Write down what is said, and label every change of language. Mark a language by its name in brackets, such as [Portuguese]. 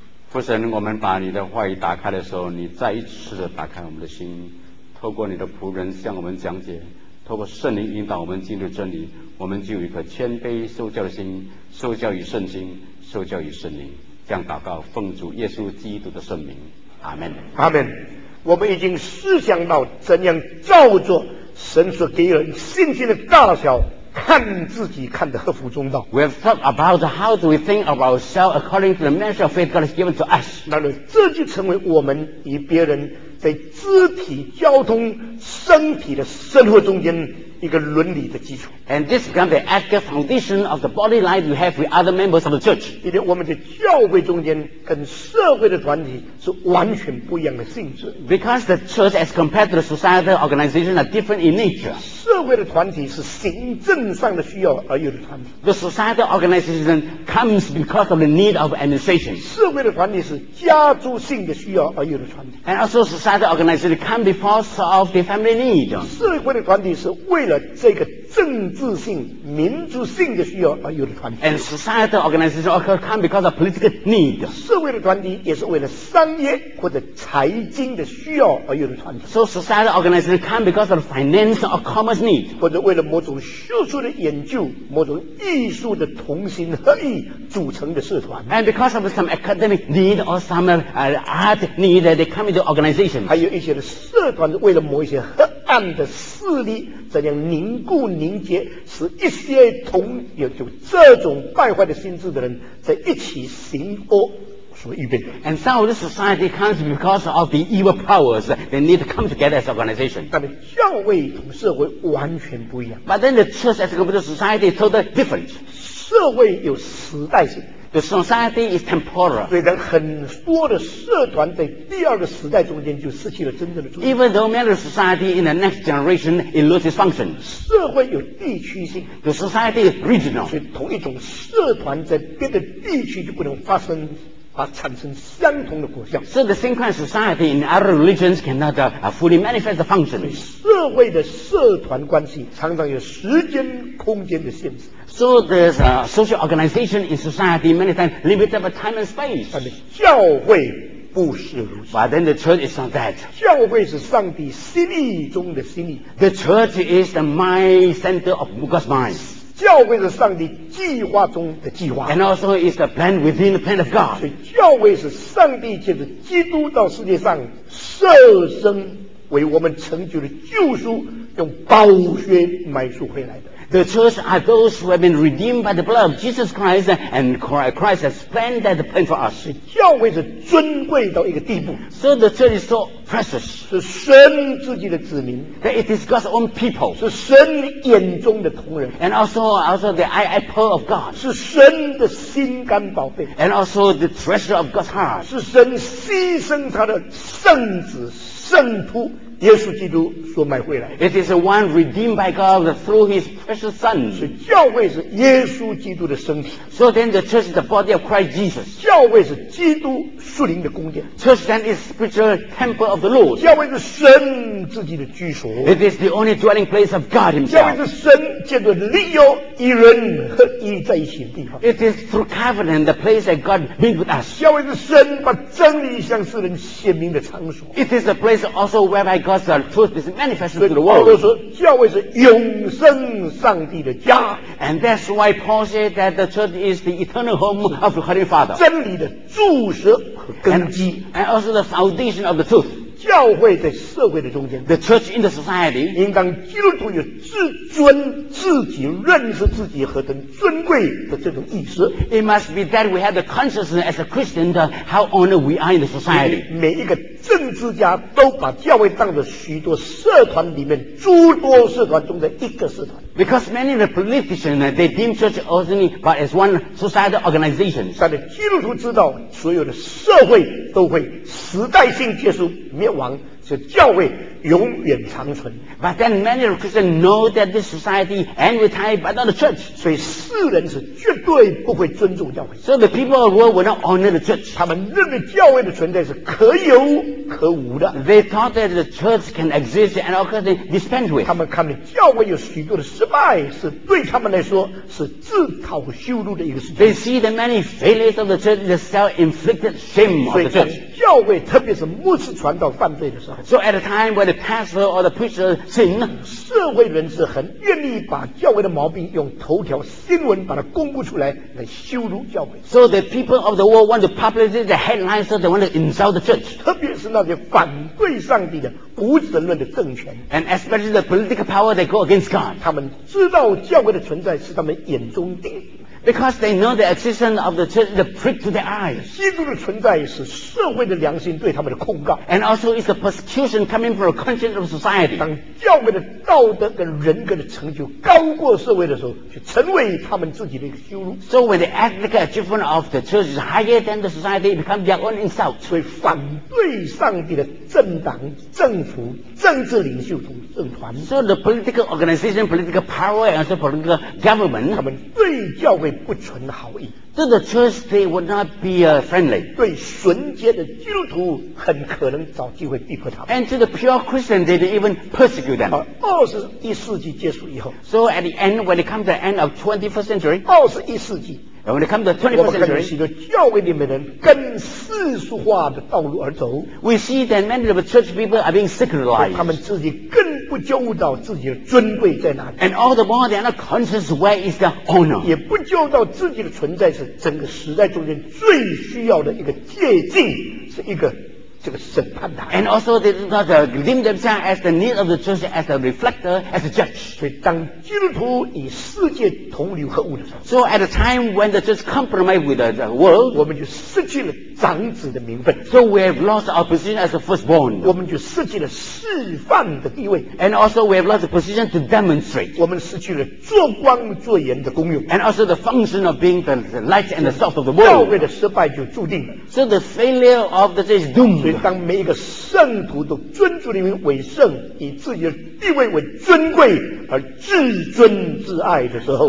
[Chinese] 父神，我们把你的话语打开的时候，你再一次的打开我们的心，透过你的仆人向我们讲解，透过圣灵引导我们进入真理，我们就有一颗谦卑受教的心，受教于圣经，受教于圣灵。这样祷告，奉主耶稣基督的圣名，阿门。阿门。我们已经思想到怎样照着神所给人信心的大小，看自己看得合乎中道。 [English] We have talked about how do we think of ourselves according to the measure of faith God has given to us. [Chinese] 那么这就成为我们与别人在肢体交通、身体的生活中间一个伦理的基础。 [English] And this becomes the actual foundation of the body life you have with other members of the church. [Chinese] 因为我们的教会中间跟社会的团体是完全不一样的性质。 [English] Because the church as compared to the societal organization are different in nature. [Chinese] 社会的团体是行政上的需要而有的团体。 [English] The societal organization comes because of the need of administration. [Chinese] 社会的团体是家族性的需要而有的团体。 [English] And also societal organization comes because of the family need. [Chinese] 社会的团体是为了这个政治性、民族性的需要而有的团体。 [English] And societal organization also comes because of political need. [Chinese] 社会的团体也是为了商业或者财经的需要而有的团体。 [English] So societal organization comes because of finance or commerce need. [Chinese] 或者为了某种学术的研究、某种艺术的同心合意组成的社团。 [English] And because of some academic need or some art need, they come into organization. [Chinese] 还有一些的社团为了某一些合暗的势力怎样凝固凝结，使一些同有这种败坏的心智的人在一起行恶所预备。 [English] And some of the society comes because of the evil powers they need to come together as organization. [Chinese] 但是教会和社会完全不一样。 [English] But then the church as compared to society is totally different. [Chinese] 社会有时代性。 [English] The society is temporal. [Chinese] 虽然很多的社团在第二个时代中间就失去了真正的作用。 [English] Even though many society in the next generation it loses function. [Chinese] 社会有地区性。 [English] The society is regional. [Chinese] 所以同一种社团在别的地区就不能发生啊，产生相同的果效。 [English] So the same kind of society in other religions cannot fully manifest the function. [Chinese] 社会的社团关系常常有时间、空间的限制。 [English] So there's a social organization in society many times limited by time and space. [Chinese] 但是教会不是如此。 [English] But then the church is not that. [Chinese] 教会是上帝心意中的心意。 [English] The church is the mind center of God's mind. [Chinese] 教会是上帝计划中的计划。 [English] And also is the plan within the plan of God. [Chinese] 所以教会是上帝借着基督到世界上舍身为我们成就的救赎，用宝血买赎回来的。 [English] The church are those who have been redeemed by the blood of Jesus Christ and Christ has planned that plan for us. [Chinese] 教会是尊贵到一个地步。 [English] So the church is so precious. [Chinese] 是神自己的子民。 [English] That it is God's own people. [Chinese] 是神眼中的同人。 [English] And also the eyeball of God. [Chinese] 是神的心肝宝贝。 [English] And also the treasure of God's heart. [Chinese] 是神牺牲他的圣子圣徒耶稣基督所买回来。 [English] It is the one redeemed by God through His precious Son. [Chinese] 所以教会是耶稣基督的身体。 [English] So then the church is the body of Christ Jesus. [Chinese] 教会是基督属灵的宫殿。 [English] Church then is spiritual temple of the Lord. [Chinese] 教会是神自己的居所。 [English] It is the only dwelling place of God Himself. [Chinese] 教会是神借着立约与人合一在一起的地方。 [English] It is through covenant the place that God meets with us. [Chinese] 教会是神把真理向世人显明的场所。 [English] It is the place also whereby God's truth is manifested to the world. [Chinese] 保罗说教会是永生上帝的家。 [English] And that's why Paul said that the church is the eternal home of the Holy Father. [Chinese] 真理的柱石和根基。 [English] And also the foundation of the truth. [Chinese] 教会在社会的中间。 [English] The church in the society. [Chinese] 应当基督徒有自尊自己认识自己何等尊贵的这种意识。 [English] It must be that we have the consciousness as a Christian that how honored we are in the society. [Chinese] 每一个政治家都把教会当作许多社团里面诸多社团中的一个社团。 [English] Because many of the politicians they deem church only but as one society organization. [Chinese] 但是基督徒知道，所有的社会都会时代性结束灭亡，是教会永远长存。 [English] But then many of the Christians know that this society end with time but not the church. [Chinese] 所以世人是绝对不会尊重教会。 [English] So the people of the world will not honor the church. [Chinese] 他们认为教会的存在是可有可无的。 [English] They thought that the church can exist and all could be dispensed with. [Chinese] 他们看到教会有许多的失败，是对他们来说是自讨羞辱的一个事情。 [English] They see the many failures of the church is a self-inflicted shame of the church. [Chinese] 所以教会特别是牧师传道犯罪的时候。 [English] So at a time when the pastor or the preacher sin, [Chinese] 社会人士很愿意把教会的毛病用头条新闻把它公布出来，来羞辱教会。 [English] So the people of the world want to publicize the headlines, so they want to insult the church. [Chinese] 特别是那些反对上帝的无神论的政权。 [English] And especially the political power that go against God. [Chinese] 他们知道教会的存在是他们眼中钉。 [English] Because they know the existence of the church is a prick to their eyes. [Chinese] 基督的存在是社会的良心对他们的控告。 [English] And also is the persecution coming from the conscience of society. [Chinese] 当教会的道德跟人格的成就高过社会的时候，就成为他们自己的一个羞辱。 [English] So when the ethnic achievement of the church is higher than the society, it becomes their own insult. [Chinese] 所以反对上帝的政党、政府、政治领袖和政团。 [English] So the political organization, political power, and also political government. [Chinese] 他们对教会不存好意。 [English] So the church they would not be friendly. [Chinese] 对纯洁的基督徒很可能找机会逼迫他们。 [English] And to the pure Christian, they'd even persecute them. 21st century [Chinese] 结束以后。 [English] So at the end, when it comes to the end of 21st century. 21st century. And when it comes to the 21st century. [Chinese] 我们看到许多教会里面的人跟世俗化的道路而走。 [English] We see that many of the church people are being secularized. [Chinese] 他们自己更不教导自己的尊贵在哪里。 [English] And all the more, they are not conscious where is their honor. [Chinese] 也不教导自己的存在。是整个时代中间最需要的一个借镜，是一个这个审判台。 [English] And also they do not deem themselves as the need of the church as a reflector, as a judge. [Chinese] 所以当基督徒与世界同流合污的时候 [English] ，So at a time when the church compromise with the world， [Chinese] 我们就失去了长子的名分。 [English] So we have lost our position as a firstborn。 [Chinese] 我们就失去了示范的地位。 [English] And also we have lost the position to demonstrate。 [Chinese] 我们失去了做光做盐的功用。 [English] And also the function of being the light and the salt of the world。 [Chinese] 教会的失败就注定了。 [English] So the failure of the church is doomed。 [Chinese] 所以当每一个圣徒都尊主的名为圣，以自己的地位为尊贵而至尊至爱的时候，